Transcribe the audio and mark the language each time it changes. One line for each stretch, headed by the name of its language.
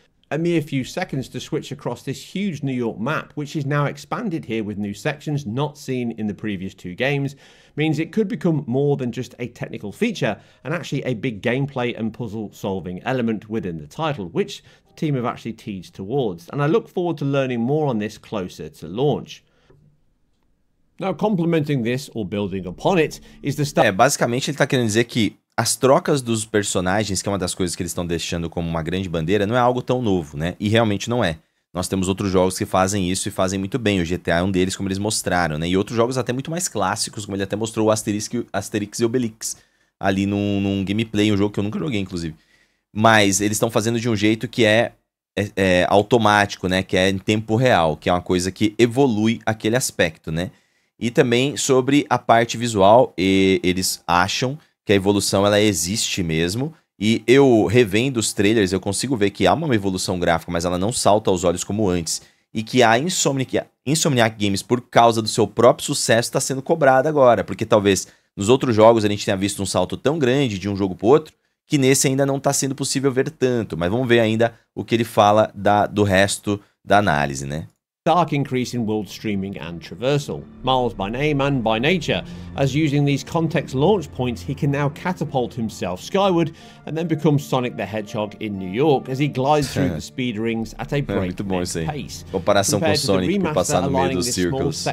English: A mere few seconds to switch across this huge New York map, which is now expanded here with new sections not seen in the previous two games, means it could become more than just a technical feature, and actually a big gameplay and puzzle-solving element within the title, which the team have actually teased towards, and I look forward to learning more on this closer to launch. Now, complementing this or building upon it is the start.
Portuguese: Basicamente, ele tá querendo dizer que as trocas dos personagens, que é uma das coisas que eles estão deixando como uma grande bandeira, não é algo tão novo, né? E realmente não é. Nós temos outros jogos que fazem isso e fazem muito bem. O GTA é um deles, como eles mostraram, né? E outros jogos até muito mais clássicos, como ele até mostrou o Asterix e Obelix ali num gameplay, um jogo que eu nunca joguei, inclusive. Mas eles estão fazendo de um jeito que é automático, né? Que é em tempo real, que é uma coisa que evolui aquele aspecto, né? E também sobre a parte visual, e eles acham que a evolução ela existe mesmo. E eu revendo os trailers, eu consigo ver que há uma evolução gráfica, mas ela não salta aos olhos como antes. E que a Insomniac Games, por causa do seu próprio sucesso, está sendo cobrada agora. Porque talvez nos outros jogos a gente tenha visto um salto tão grande de um jogo para outro, que nesse ainda não está sendo possível ver tanto. Mas vamos ver ainda o que ele fala do resto da análise, né?
English: stark increase in world streaming and traversal. Miles by name and by nature, as using these context launch points, he can now catapult himself skyward and then become Sonic the Hedgehog in New York as he glides through the speed rings at a breakneck pace. Comparação compared com to Sonic, the remaster, passar no aligning meio dos this circles. Small